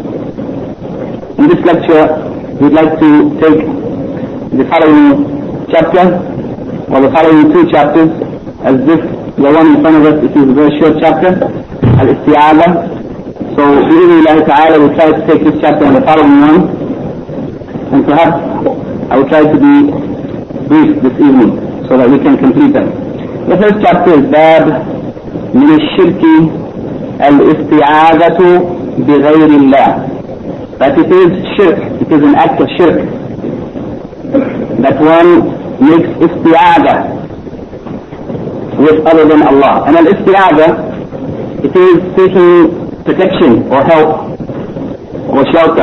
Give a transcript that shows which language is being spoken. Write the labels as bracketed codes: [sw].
[en] In this lecture we'd like to take the following chapter or the following two chapters as this the one in front of us, it is a very short chapter, Al-Isti'adha. So, [ar] بإذن الله تعالى, [en] we'll try to take this chapter and the following one. And perhaps, I will try to be brief this evening, so that we can complete them. The first chapter is [ar] باب من الشرك الاستعاذة بغير الله. [en] That it is shirk, it is an act of shirk. That one makes isti'adha with other than Allah. And al-isti'adha, it is seeking protection or help or shelter.